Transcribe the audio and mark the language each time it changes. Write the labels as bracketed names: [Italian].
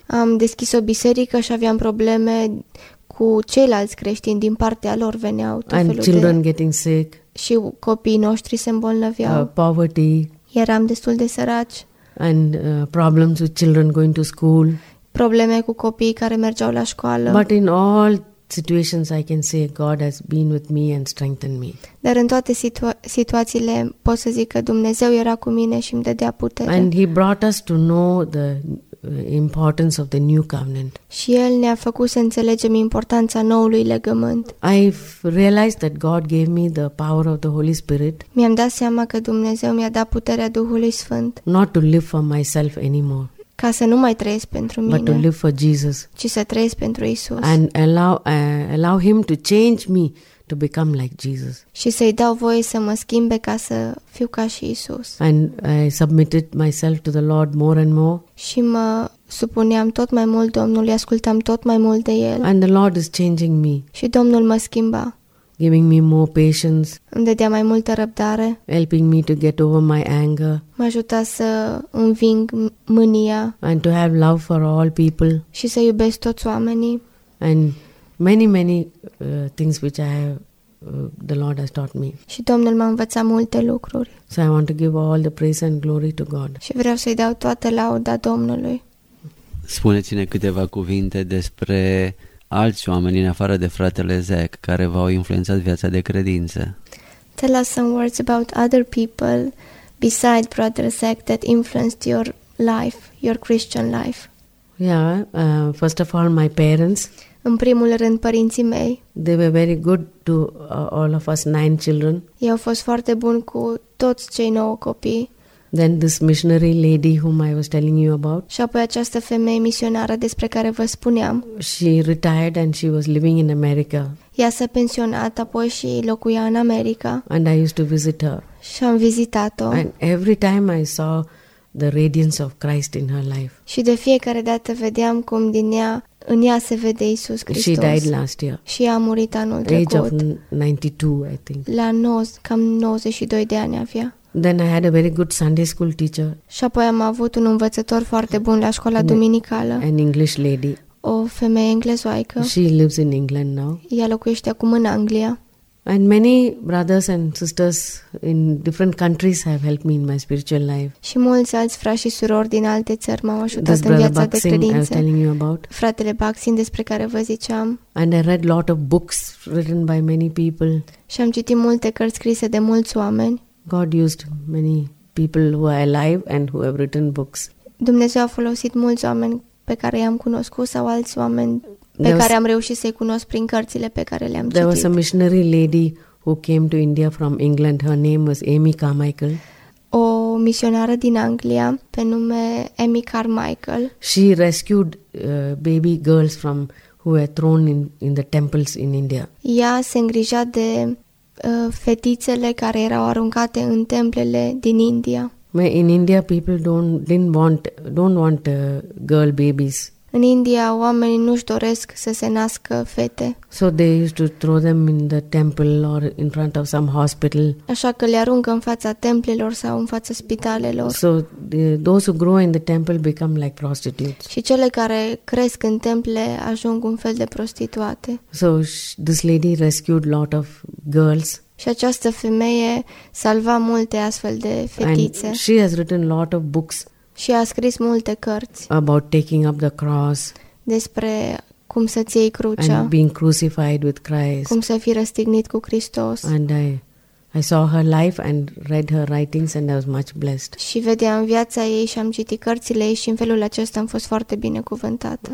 [Romanian] Am deschis o biserică și aveam probleme cu ceilalți creștini din partea lor veneau tot and felul de [English] children getting sick. [Romanian] Și copiii noștri se îmbolnăveau. [English] Poverty. [Romanian] Eram destul de săraci. [English] And problems with children going to school. [Romanian] Probleme cu copiii care mergeau la școală. [English] But in all situations I can say God has been with me and strengthened me. [Romanian] Dar în toate situațiile pot să zic că Dumnezeu era cu mine și îmi dădea putere. [English] And he brought us to know the importance of the new covenant. [Romanian] Și el ne-a făcut să înțelegem importanța noului legământ. [English] I realized that God gave me the power of the Holy Spirit. [Romanian] Mi-am dat seama că Dumnezeu mi-a dat puterea Duhului Sfânt. [English] Not to live for myself anymore. [Romanian] ca să nu mai trăiesc pentru mine, [English] but to live for Jesus, [Romanian] ci să trăiesc pentru Isus. [English] And allow him to change me to become like Jesus. [Romanian] Și să-i dau voie să mă schimbe ca să fiu ca și Isus. [English] And I submitted myself to the Lord more and more. [Romanian] Și mă supuneam tot mai mult Domnului, ascultam tot mai mult de El. [English] And the Lord is changing me. [Romanian] Și Domnul mă schimba. [English] Giving me more patience. [Romanian] Îmi dădea mai multă răbdare. [English] Helping me to get over my anger. [Romanian] Mă ajuta să înving mânia. [English] And to have love for all people. [Romanian] Și să iubesc toți oamenii. [English] And many things which I have, the Lord has taught me. [Romanian] Și Domnul m-a învățat multe lucruri. [English] So I want to give all the praise and glory to God. [Romanian] Și vreau să-i dau toată lauda Domnului. Spuneți-ne câteva cuvinte despre alți oameni în afară de fratele Zach care v-au influențat viața de credință. [English] Tell us some words about other people beside brother Zach that influenced your life, your Christian life. Yeah, first of all my parents. [Romanian] În primul rând părinții mei. [English] They were very good to all of us 9 children. [Romanian] Ei au fost foarte buni cu toți cei 9 copii. [English] Then this missionary lady whom I was telling you about. [Romanian] Și apoi această femeie misionară despre care vă spuneam. [English] She retired and she was living in America. [Romanian] Ea s-a pensionat apoi și locuia în America. [English] And I used to visit her. [Romanian] Și am vizitat-o. [English] And every time I saw the radiance of Christ in her life. [Romanian] Și de fiecare dată vedeam cum din ea, în ea se vede Iisus Hristos. [English] She died last year. [Romanian] Și a murit anul trecut. [English] Age of 92, I think. [Romanian] La cam 92 de ani avea. [English] Then I had a very good Sunday school teacher. [Romanian] Și apoi am avut un învățător foarte bun la școala duminicală. [English] An English lady. [Romanian] O femeie englezoaică. [English] She lives in England now. [Romanian] Ea locuiește acum în Anglia. [English] And many brothers and sisters in different countries have helped me in my spiritual life. [Romanian] Și mulți alți frați și surori din alte țări m-au ajutat this în viața Baxin de credință. [English] I was telling you about. [Romanian] Fratele Baxin despre care vă ziceam. [English] And I read lot of books written by many people. [Romanian] Și am citit multe cărți scrise de mulți oameni. [English] God used many people who are alive and who have written books. [Romanian] Dumnezeu a folosit mulți oameni pe care i-am cunoscut sau alți oameni pe care am reușit să-i cunosc prin cărțile pe care le-am citit. [English] There was a missionary lady who came to India from England. Her name was Amy Carmichael. [Romanian] O misionară din Anglia pe nume Amy Carmichael. [English] She rescued baby girls from who were thrown in the temples in India. [Romanian] Ea se îngrija de fetițele care erau aruncate în templele din India. [English] In India people don't want girl babies. [Romanian] În India oamenii nu-și doresc să se nască fete. [English] So they used to throw them in the temple or in front of some hospital. [Romanian] Așa că le aruncă în fața templelor sau în fața spitalelor. [English] So those who grow in the temple become like prostitutes. [Romanian] Și cele care cresc în temple ajung un fel de prostituate. [English] So this lady rescued lot of girls. [Romanian] Și această femeie salva multe astfel de fetițe. [English] And she has written lot of books. [Romanian] Și a scris multe cărți [English] about taking up the cross, [Romanian] despre cum să ții crucea, [English] and being crucified with Christ, [Romanian] cum să fii răstignit cu Hristos. [English] And I saw her life and read her writings and I was much blessed. [Romanian] Și vedeam viața ei și am citit cărțile ei și în felul acesta am fost foarte binecuvântată.